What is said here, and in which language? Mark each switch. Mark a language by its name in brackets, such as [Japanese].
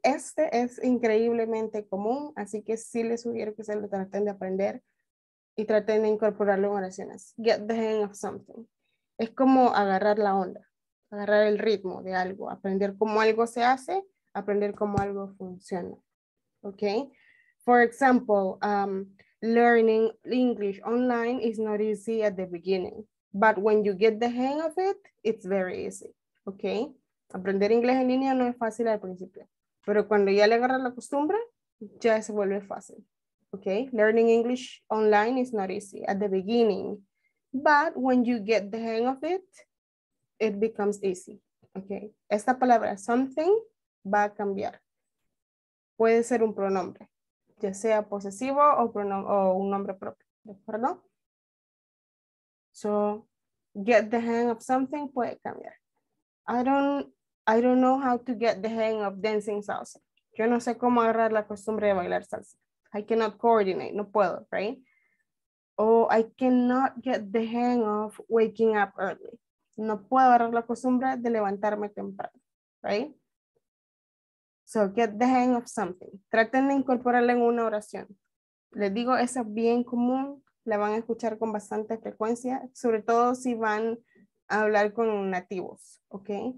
[Spanish] Este es increíblemente común, así que sí les sugiero que se lo traten de aprender y traten de incorporarlo en oraciones. [English] Get the hang of something. [Spanish] Es como agarrar la onda, agarrar el ritmo de algo, aprender cómo algo se hace, aprender cómo algo funciona. [English] Okay. For example, learning English online is not easy at the beginning. But when you get the hang of it, it's very easy, okay? [Spanish] Aprender inglés en línea no es fácil al principio, pero cuando ya le agarras la costumbre, ya se vuelve fácil, okay? [English] Learning English online is not easy at the beginning, but when you get the hang of it, it becomes easy, okay? [Spanish] Esta palabra, something, va a cambiar. Puede ser un pronombre, ya sea posesivo o, un nombre propio, ¿de acuerdo? [English] So, get the hang of something [Spanish] puede cambiar. [English] I don't know how to get the hang of dancing salsa. [Spanish] Yo no sé cómo agarrar la costumbre de bailar salsa. [English] I cannot coordinate, [Spanish] no puedo, right? [English] Oh, I cannot get the hang of waking up early. [Spanish] No puedo agarrar la costumbre de levantarme temprano, right? [English] So, get the hang of something. [Spanish] Traten de incorporarla en una oración. Les digo, es bien común. La van a escuchar con bastante frecuencia, sobre todo si van a hablar con nativos, ¿ok?